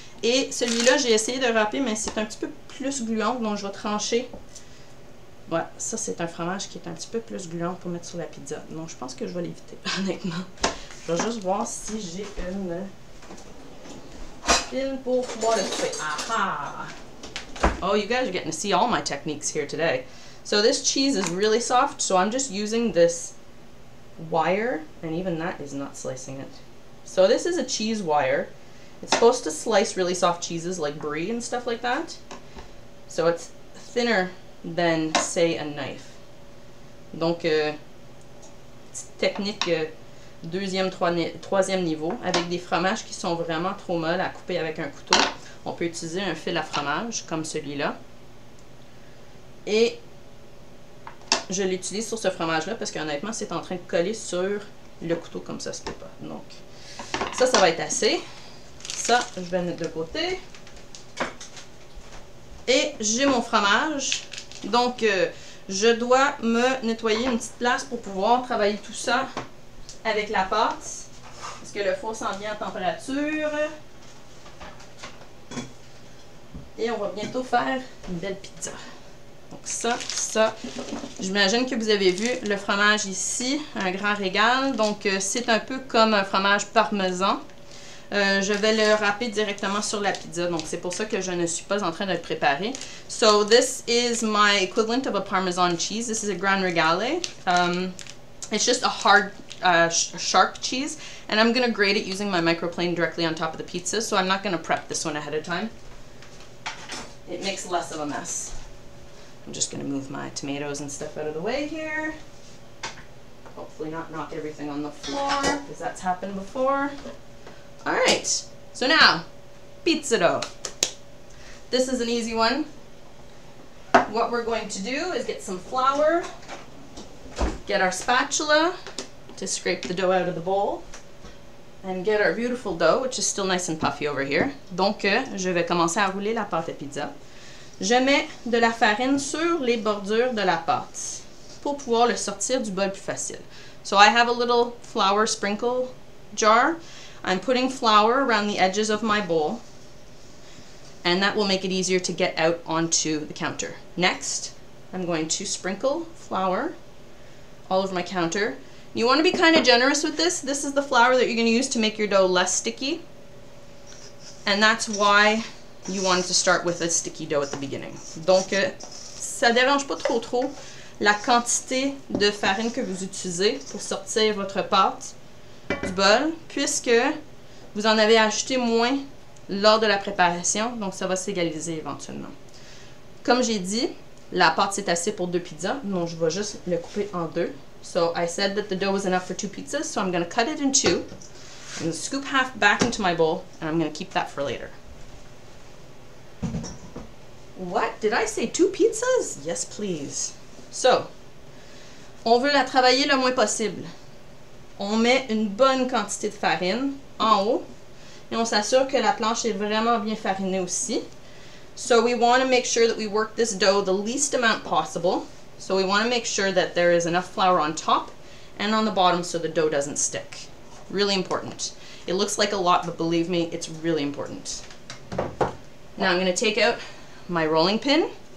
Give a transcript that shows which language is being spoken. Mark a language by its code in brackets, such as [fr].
[fr] Et celui-là, j'ai essayé de râper, mais c'est un petit peu plus gluant, donc je vais trancher. Ouais, ça, c'est un fromage qui est un petit peu plus gluant pour mettre sur la pizza. Donc, je pense que je vais l'éviter, honnêtement. Je vais juste voir si j'ai une pile pour pouvoir le couper. [en] Aha! Oh, you guys are getting to see all my techniques here today. So this cheese is really soft, so I'm just using this wire, and even that is not slicing it. So this is a cheese wire. It's supposed to slice really soft cheeses like brie and stuff like that. So it's thinner than, say, a knife. [fr] Donc, technique deuxième, troisième niveau, avec des fromages qui sont vraiment trop molles à couper avec un couteau. On peut utiliser un fil à fromage, comme celui-là. Et je l'utilise sur ce fromage-là parce qu'honnêtement, c'est en train de coller sur le couteau comme ça, ça se peut pas. Donc, ça, ça va être assez. Ça, je vais mettre de côté. Et j'ai mon fromage. Donc, je dois me nettoyer une petite place pour pouvoir travailler tout ça avec la pâte. Parce que le four s'en vient à température. Et on va bientôt faire une belle pizza. Donc ça, j'imagine que vous avez vu le fromage ici, un grand régal. Donc c'est un peu comme un fromage parmesan. Je vais le râper directement sur la pizza, donc c'est pour ça que je ne suis pas en train de le préparer. [en] So this is my equivalent of a parmesan cheese. This is a grand regale. It's just a hard, sharp cheese. And I'm going to grate it using my microplane directly on top of the pizza, so I'm not going to prep this one ahead of time. It makes less of a mess. I'm just gonna move my tomatoes and stuff out of the way here. Hopefully not knock everything on the floor, because that's happened before. All right, so now, pizza dough. This is an easy one. What we're going to do is get some flour, get our spatula to scrape the dough out of the bowl, and get our beautiful dough, which is still nice and puffy over here. [fr] Donc, je vais commencer à rouler la pâte à pizza. Je mets de la farine sur les bordures de la pâte pour pouvoir le sortir du bol plus facile. [en] So I have a little flour sprinkle jar. I'm putting flour around the edges of my bowl, and that will make it easier to get out onto the counter. Next, I'm going to sprinkle flour all over my counter. You want to be kind of generous with this. This is the flour that you're going to use to make your dough less sticky, and that's why you wanted to start with a sticky dough at the beginning. [fr] Donc, ça dérange pas trop la quantité de farine que vous utilisez pour sortir votre pâte du bol, puisque vous en avez acheté moins lors de la préparation, donc ça va s'égaliser éventuellement. Comme j'ai dit, la pâte c'est assez pour deux pizzas, donc je vais juste le couper en deux. [en] So, I said that the dough was enough for two pizzas, so I'm going to cut it in two, and scoop half back into my bowl, and I'm going to keep that for later. What? Did I say two pizzas? Yes, please. [fr] So, on veut la travailler le moins possible. On met une bonne quantité de farine en haut et on s'assure que la planche est vraiment bien farinée aussi. [en] So, we want to make sure that we work this dough the least amount possible. So, we want to make sure that there is enough flour on top and on the bottom so the dough doesn't stick. Really important. It looks like a lot, but believe me, it's really important. Now I'm going to take out my rolling pin.